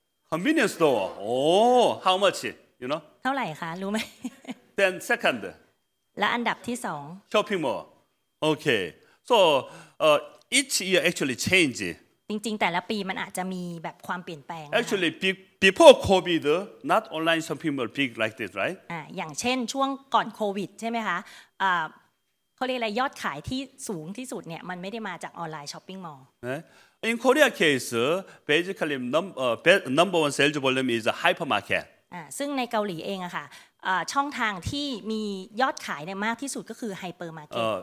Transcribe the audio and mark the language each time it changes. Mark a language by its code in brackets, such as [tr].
[en] Convenience store oh how much you know [th] เท่าไหร่คะรู้ไหม [en] Then second [th] และอันดับที่สอง [en] Shopping mall okay so each year actually change [th] จริงๆแต่ละปีมันอาจจะมีแบบความเปลี่ยนแปลง [en] Actually before COVID not online shopping mall big like this right [th] อย่างเช่นช่วงก่อนโควิดใช่ไหมคะเขาเรียกอะไรยอดขายที่สูงที่สุดเนี่ยมันไม่ได้มาจากออนไลน์ช้อปปิ้งมอล [en] ล์ In Korea case basically number one sales volume is hypermarket [th] ซึ่งในเกาหลีเองอะค่ะช่องทางที่มียอดขายเนี่ยมากที่สุดก็คือไฮเปอร์มาร์เก็ต